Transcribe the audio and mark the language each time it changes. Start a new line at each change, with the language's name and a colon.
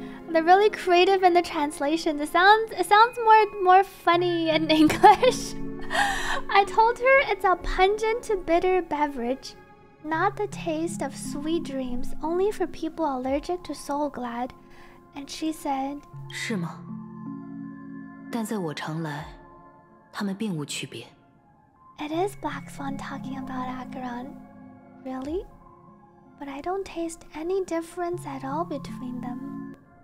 English: They're really creative in the translation. It sounds more funny in English. I told her it's a pungent, bitter beverage. Not the taste of sweet dreams, only for people allergic to soul glad. And she said,
Chinese: 是吗? 但在我常来, 他们并无区别。
English: It is Black Swan talking about Acheron. Really? But I don't taste any difference at all between them.